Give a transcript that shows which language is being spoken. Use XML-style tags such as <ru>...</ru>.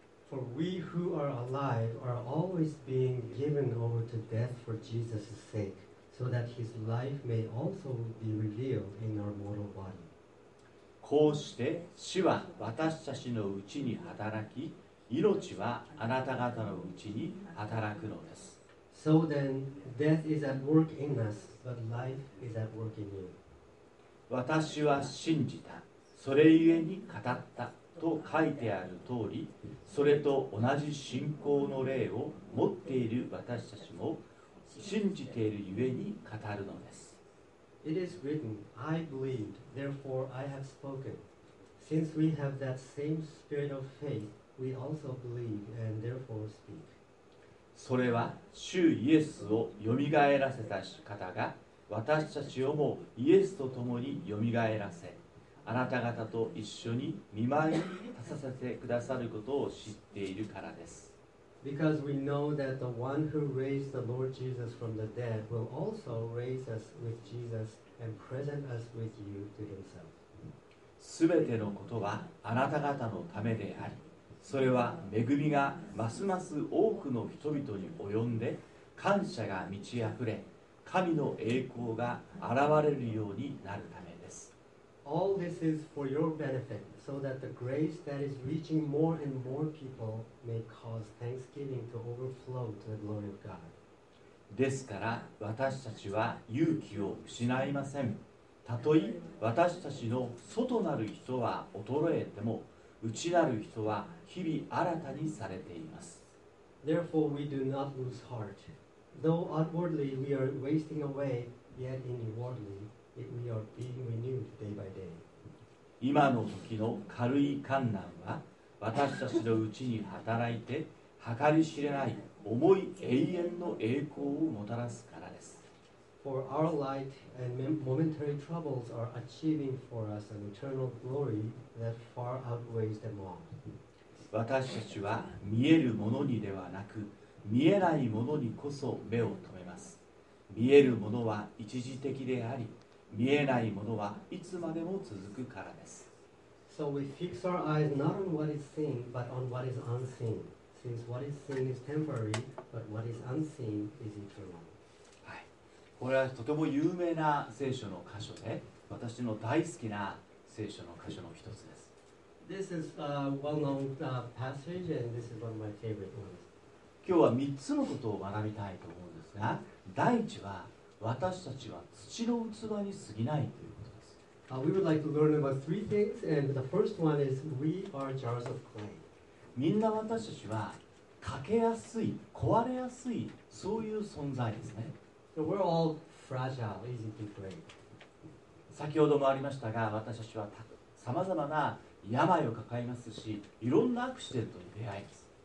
<en>For we who are alive are always being given over to death for Jesus' sake, so that his life may also be revealed in our mortal body.</en> <ja>こうして死は私たちのうちに働き、命はあなた方のうちに働くのです。</ja> <en>So then, death is at work in us, but life is at work in you.</en> <ja>私は信じた、それゆえに語ったと書いてある通り、それと同じ信仰の霊を持っている私たちも信じているゆえに語るのです。</ja> <en>It is written, I believed, therefore I have spoken. Since we have that same spirit of faith, we also believe and therefore speak.</en> <ja>それは主イエスをよみがえらせた方が私たちをもイエスと共によみがえらせ、あなた方と一緒に御前に立たせてくださることを知っているからです。</ja> <en>Because we know that the one who raised the Lord Jesus from the dead will also raise us with Jesus and present us with you to himself.</en> <ja>すべてのことはあなた方のためであり、それは恵みがますます多くの人々に及んで感謝が満ち溢れ、神の栄光が現れるようになるためです。</ja> <en>All this is for your benefit, so that the grace that is reaching more and more people may cause thanksgiving to overflow to the glory of God.</en> <ja>ですから私たちは勇気を失いません。たとえ私たちの外なる人は衰えても、内なる人は日々新たにされています。</ja> <en>Therefore, we do not lose heart. Though outwardly we are wasting away, yet inwardly we are being renewed day by day.</en> <ja>今の時の軽い患難は、私たちのうちに働いて、計り知れない重い永遠の栄光をもたらすからです。</ja> <en>For our light and momentary troubles are achieving for us an eternal glory that far outweighs them all.</en> <ja>私たちは見えるものにではなく、見えないものにこそ目を留めます。見えるものは一時的であり、見えないものはいつまでも続くからです。</ja> <en>So we fix our eyes not on what is seen, but on what is unseen, since what is seen is temporary, but what is unseen is eternal.</en> <ja>これはとても有名な聖書の箇所で、私の大好きな聖書の箇所の一つです。</ja> <en>This is a well-known passage, and this is one of my favorite ones.</en> <ja>今日は3つのことを学びたいと思うんですが、第一は、私たちは土の器に過ぎないということです。</ja> <en>We would like to learn about three things, and the first one is, we are jars of clay.</en> <ja>みんな私たちは、欠けやすい、壊れやすい、そういう存在ですね。</ja> <en>So、we're all fragile, easy to break.</en> <ja>先ほどもありましたが、私たちはさまざまな病を抱えますし、いろんなアクシデントに出会います。</ja>